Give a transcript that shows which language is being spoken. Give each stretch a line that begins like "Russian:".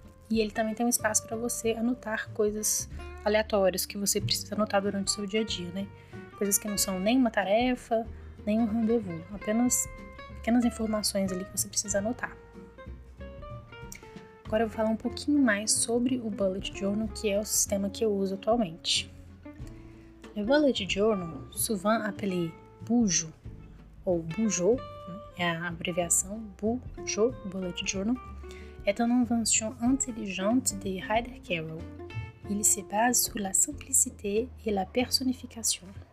Portuguese: E ele também tem um espaço para você anotar coisas aleatórias que você precisa anotar durante o seu dia a dia, né? Coisas que não são nem uma tarefa, nem um rendezvous, apenas pequenas informações ali que você precisa anotar. Agora eu vou falar um pouquinho mais sobre o Bullet Journal, que é o sistema que eu uso atualmente.
French: O Bullet Journal, souvent appelé Bujo, ou Bujo, né?
Portuguese: É a abreviação Bujo, Bullet Journal, é
French: une invention intelligente de Ryder Carroll. Il se base sur la simplicité et la personnification.